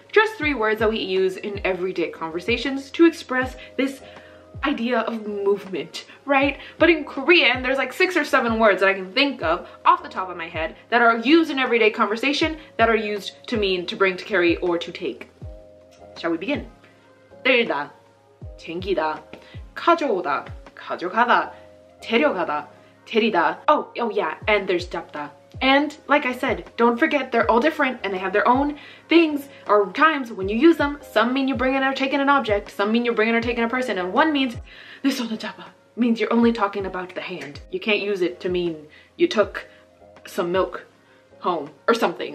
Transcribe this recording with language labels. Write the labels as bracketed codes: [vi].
[en] Just 3 words that we use in everyday conversations to express this idea of movement, right? But in Korean, there's like 6 or 7 words that I can think of off the top of my head that are used in everyday conversation that are used to mean to bring, to carry, or to take. Shall we begin? [ko] 들다, 챙기다, 가져오다, 가져가다, 데려가다, 데리다. [en] Oh yeah, and there's 잡다. And like I said, don't forget they're all different and they have their own things or times when you use them. Some mean you're bringing or taking an object, some mean you're bringing or taking a person, and one means, [ko] 내 손을 잡아, [en] means you're only talking about the hand. You can't use it to mean you took some milk home or something.